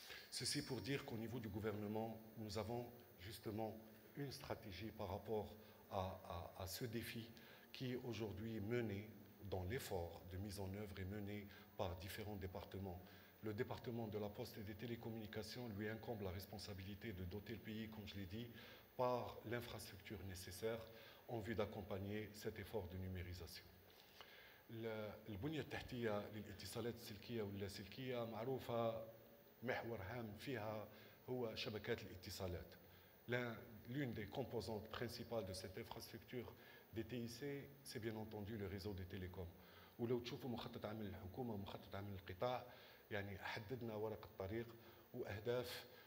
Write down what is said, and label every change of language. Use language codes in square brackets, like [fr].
[fr] Ceci pour dire qu'au niveau du gouvernement, nous avons justement une stratégie par rapport à ce défi qui aujourd'hui est mené dans l'effort de mise en œuvre et mené par différents départements. Le département de la Poste et des Télécommunications lui incombe la responsabilité de doter le pays, comme je l'ai dit, par l'infrastructure nécessaire en vue d'accompagner cet effort de numérisation. [ar] البنية التحتية للاتصالات السلكية واللاسلكية معروفة، محور هام فيها هو شبكات الاتصالات. [fr] L'une des composantes principales de cette infrastructure des TIC, c'est bien entendu le réseau des télécoms. [ar] ولو تشوفوا مخطط عمل الحكومة ومخطط عمل القطاع، يعني حددنا ورق الطريق وأهداف